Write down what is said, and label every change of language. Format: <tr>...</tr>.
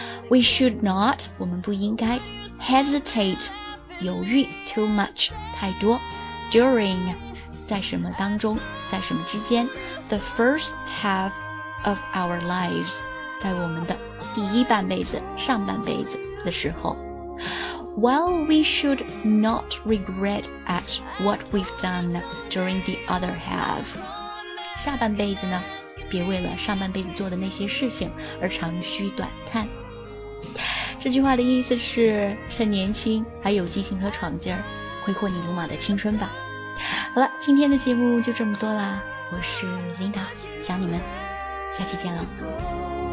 <en>We should not,</en> <zh>我们不应该</zh> <en>hesitate,</en> <zh>犹豫</zh> <en>too much,</en> <zh>太多</zh> <en>during,</en> <zh>在什么当中，在什么之间</zh> <en>the first half of our lives,</en> <zh>在我们的第一半辈子，上半辈子的时候。</zh> <en>While we should not regret at what we've done during the other half.</en> <zh>下半辈子呢，别为了上半辈子做的那些事情而长吁短叹。这句话的意思是，趁年轻还有激情和闯劲儿，挥霍你鲁莽的青春吧。好了，今天的节目就这么多啦，我是 Linda, 想你们，下期见了。</zh>